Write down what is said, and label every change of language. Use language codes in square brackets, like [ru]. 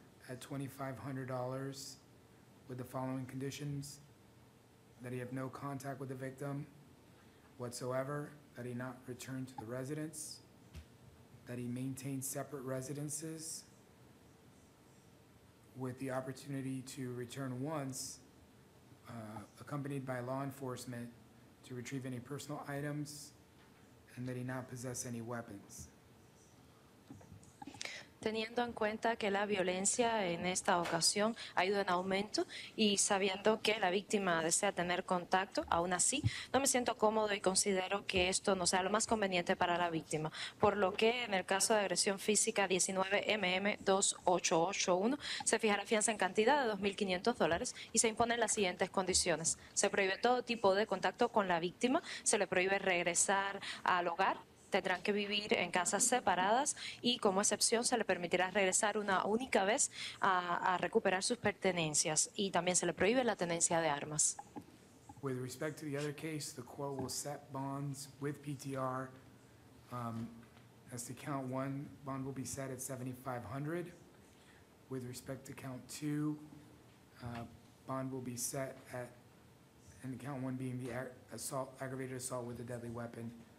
[en] at $2,500 with the following conditions: that he have no contact with the victim whatsoever, that he not return to the residence, that he maintain separate residences with the opportunity to return once, accompanied by law enforcement, to retrieve any personal items, and that he not possess any weapons. [es] Teniendo en cuenta que la violencia en esta ocasión ha ido en aumento y sabiendo que la víctima desea tener contacto, aún así, no me siento cómodo y considero que esto no sea lo más conveniente para la víctima. Por lo que en el caso de agresión física 19MM2881 se fijará fianza en cantidad de $2,500 y se imponen las siguientes condiciones. Se prohíbe todo tipo de contacto con la víctima, se le prohíbe regresar al hogar, tendrán que vivir en casas separadas y como excepción se le permitirá regresar una única vez a recuperar sus pertenencias y también se le prohíbe la tenencia de armas. [en] With respect to the other case, the court will set bonds with PTR. As to count one, bond will be set at $7,500. With respect to count two, bond will be set at, and count one being the assault, aggravated assault with a deadly weapon.